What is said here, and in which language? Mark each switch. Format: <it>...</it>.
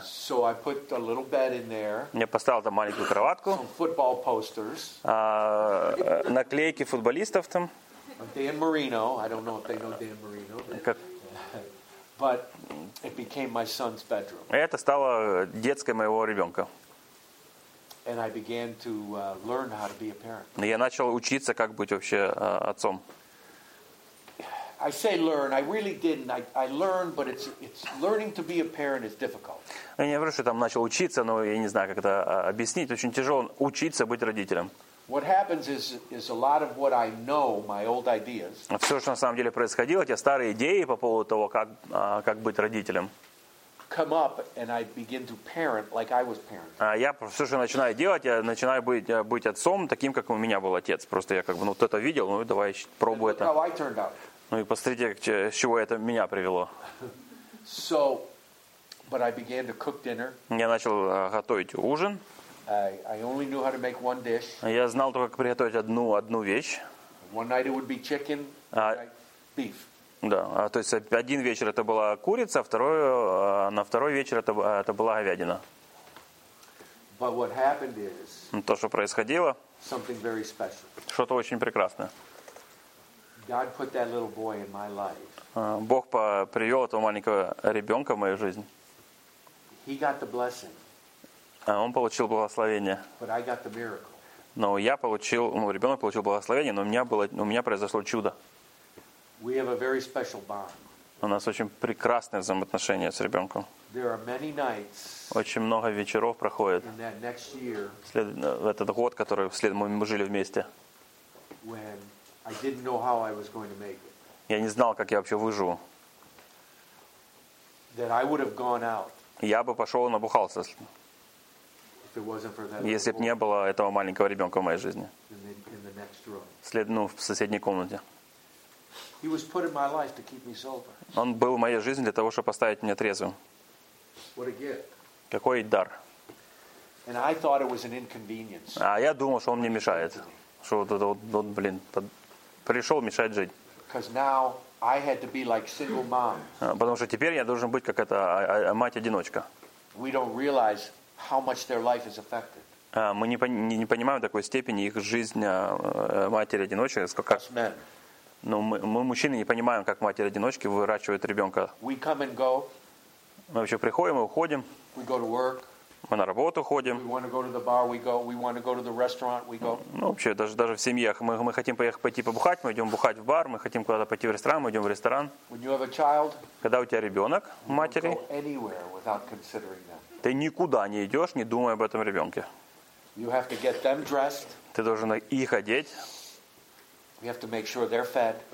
<en>So I put a little bed in there.</en> <ru>Я поставил там маленькую кроватку.</ru> <en>Some football posters.</en> <ru>Наклейки футболистов там.</ru> <en>Dan Marino. I don't know if they know Dan Marino. But it became my son's bedroom.</en> <ru>Это стало детской моего ребенка.</ru> <en>And I began to learn how to be a parent.</en> <ru>Я начал учиться, как быть вообще отцом.</ru> <en>I say learn. I really didn't. I learned, but it's learning to be a parent is difficult.</en> <ru>Я не говорю, что там начал учиться, но я не знаю, как это объяснить. Очень тяжело учиться быть родителем.</ru> <en>What happens is a lot of what I know, my old ideas.</en> <ru>Все, что на самом деле происходило, те старые идеи по поводу того, как быть родителем.</ru> <en>Come up and I begin to parent like I was parent.</en> <ru>Я все, что начинаю делать, я начинаю быть отцом таким, как у меня был отец. Просто я как бы, ну, вот это видел, ну, давай пробую это.</ru> <en>How I turned out.</en> <ru>Ну и посмотрите, с чего это меня привело.</ru> <en>So, but I began to cook dinner.</en> <ru>Я начал готовить ужин.</ru> <en>I only knew how to make one dish.</en> <ru>Я знал только, как приготовить одну вещь.</ru> <en>One night it would be chicken, beef.</en> <ru>Да, то есть один вечер это была курица, второй вечер это была говядина.</ru> <en>But what happened is,</en> <ru>то, что происходило,</ru> <en>something very special.</en> <ru>Что-то очень прекрасное.</ru> <en>God put that little boy in my life.</en> <ru>Бог привел этого маленького ребенка в мою жизнь.</ru> <en>He got the blessing.</en> <ru>Он получил благословение.</ru> <en>But I got the miracle.</en> <ru>Но я получил, ну, ребенок получил благословение, но у меня произошло чудо.</ru> <en>We have a very special bond.</en> <ru>У нас очень прекрасное взаимоотношение с ребенком.</ru> <en>There are many nights.</en> <ru>Очень много вечеров проходит.</ru> <en>In that next year.</en> <ru>В этот год, который мы жили вместе.</ru> <en>When I didn't know how I was going to make it.</en> <ru>Я не знал, как я вообще выживу.</ru> <en>That I would have gone out.</en> <ru>Я бы пошел и набухался.</ru> <en>If it wasn't for that.</en> <ru>Если бы не было этого маленького ребенка в моей жизни.</ru> <en>In the next room.</en> <ru>В соседней комнате.</ru> <en>He was put in my life to keep me sober.</en> <ru>Он был в моей жизни для того, чтобы поставить меня трезвым.</ru> <en>What a gift.</en> <ru>Какой дар.</ru> <en>And I thought it was an inconvenience.</en> <ru>А я думал, что он мне мешает. Что вот, блин, пришел мешать жить.</ru> <en>Because now I had to be like single mom.</en> <ru>Потому что теперь я должен быть как эта мать-одиночка.</ru> <en>We don't realize how much their life is affected.</en> <ru>Мы не понимаем такой степени их жизнь матери-одиночки. Сколько... Но мы мужчины, не понимаем, как матери-одиночки выращивают ребенка.</ru> <en>We come and go.</en> <ru>Мы вообще приходим и уходим.</ru> <en>We go to work.</en> <ru>Мы на работу ходим.</ru> <en>We want to go to the bar, we go. We want to go to the restaurant, we go.</en> <ru>Ну, вообще, даже в семьях. Мы хотим пойти побухать, мы идем бухать в бар. Мы хотим куда-то пойти в ресторан, мы идем в ресторан.</ru> <en>When you have a child,</en> <ru>когда у тебя ребенок, матери,</ru> <en>you don't go anywhere without considering them.</en> <ru>Ты никуда не идешь, не думая об этом ребенке.</ru> <en>You have to get them dressed.</en> <ru>Ты должен их одеть.</ru> <en>We have to make sure they're fed.</en>